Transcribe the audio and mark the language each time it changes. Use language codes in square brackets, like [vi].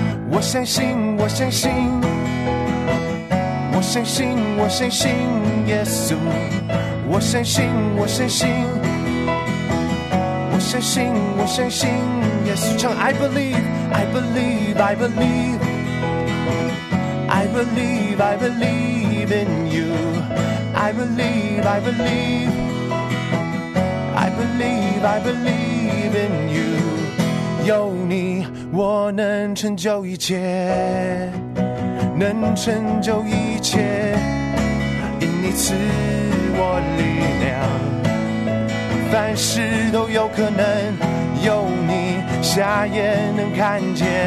[zh] 我相信，我相信，我相信，我相信耶稣，我相信，我相信，我相信，我相信耶稣。 [en] 唱 I believe, I believe, I believe, I believe, I believe in you, I believe, I believe, I believe, I believe in you. [zh] 有你我能成就一切，能成就一切，因你赐我力量，凡事都有可能，有你瞎眼能看见，